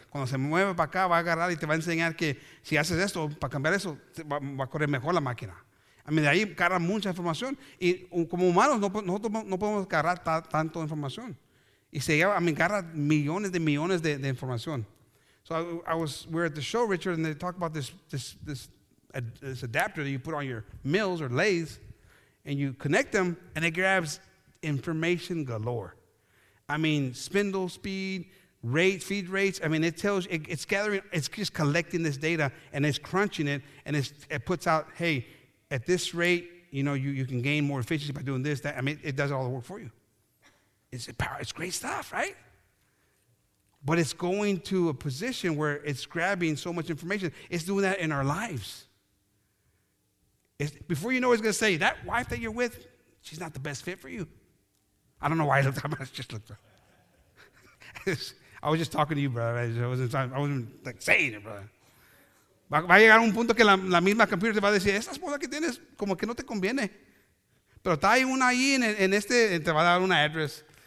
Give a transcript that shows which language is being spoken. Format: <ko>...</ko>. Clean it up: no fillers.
<es>Cuando se mueve para acá, va a agarrar y te va a enseñar que si haces esto, para cambiar eso, va a correr mejor la máquina. A mí de ahí agarra mucha información. Y como humanos, nosotros no podemos agarrar tanto información. Y se lleva, a mí agarra millones de millones de información.</es> <en>So we're at the show, Richard, and they talk about this adapter that you put on your mills or lathes, and you connect them, and it grabs information galore. I mean, spindle speed, rate, feed rates. I mean, it tells, it's gathering, it's just collecting this data, and it's crunching it, and it puts out, hey, at this rate, you know, you can gain more efficiency by doing this, that. I mean, it does all the work for you. It's a power, it's great stuff, right? But it's going to a position where it's grabbing so much information. It's doing that in our lives. Before you know it, it's going to say, that wife that you're with, she's not the best fit for you. I don't know why I looked at him. I just looked at him. I was just talking to you, brother. I wasn't like saying it, brother.</en> <es>Va a llegar un punto que la misma computer te va a decir, esa esposa que tienes, como que no te conviene. Pero está ahí una ahí en este, te va a dar una address.</es>